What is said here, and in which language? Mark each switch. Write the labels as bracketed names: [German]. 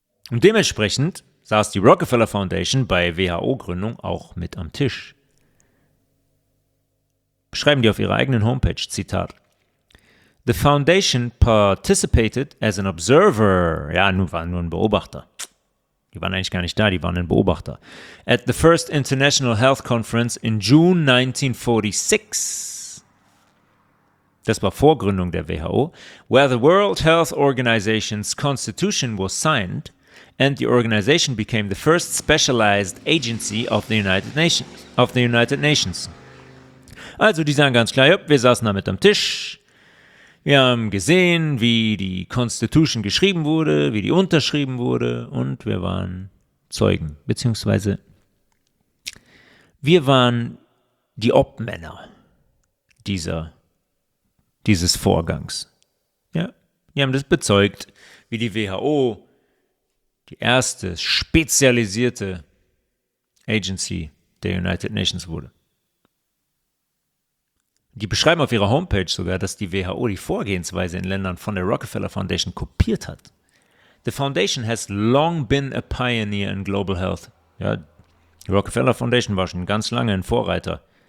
[German] Und dementsprechend saß die Rockefeller Foundation bei WHO-Gründung auch mit am Tisch. Schreiben die auf ihrer eigenen Homepage, Zitat: [English] The Foundation participated as an observer. [German] Ja, nun waren nur ein Beobachter. Die waren eigentlich gar nicht da, die waren ein Beobachter. [English] At the first International Health Conference in June 1946. [German] Das war vor Gründung der WHO. [English] Where the World Health Organization's Constitution was signed and the organization became the first specialized agency of the United Nations. [German] Also die sagen ganz klar, ja, wir saßen da mit am Tisch. Wir haben gesehen, wie die Constitution geschrieben wurde, wie die unterschrieben wurde und wir waren Zeugen, beziehungsweise wir waren die Obmänner dieses Vorgangs. Ja, wir haben das bezeugt, wie die WHO, die erste spezialisierte Agency der United Nations wurde. Die beschreiben auf ihrer Homepage sogar, dass die WHO die Vorgehensweise in Ländern von der Rockefeller Foundation kopiert hat. [English] The Foundation has long been a pioneer in global health. [German] Ja, die Rockefeller Foundation war schon ganz lange ein Vorreiter.